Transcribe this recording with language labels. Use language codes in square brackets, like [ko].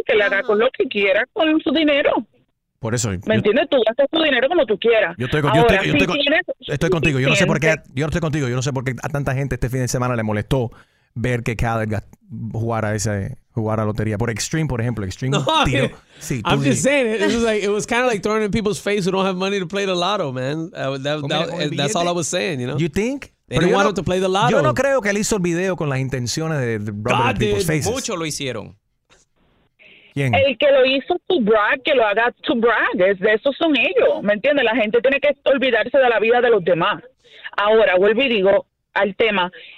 [es] Que le haga con lo que quiera con su dinero. Por eso. ¿Me entiendes? Tú gastas tu dinero como tú quieras. Yo estoy contigo. Yo no sé por qué a tanta gente este fin de semana le molestó ver que Khaled jugar a lotería por Extreme, por ejemplo. Extreme, no, tío. Sí, [en] I'm just saying it was like it was kind of like throwing in people's face who don't have money to play the lotto, man. That's all I was saying, you know. You think? They didn't want him to play the lotto. [es] Yo no creo que él hizo el video con las intenciones de [en] rubbing in people's faces. [es] Muchos lo hicieron. ¿Quién? El que lo hizo [en] to brag, [es] que lo haga to brag, esos son ellos, ¿me entiendes? La gente tiene que olvidarse de la vida de los demás. Ahora vuelvo y digo al tema.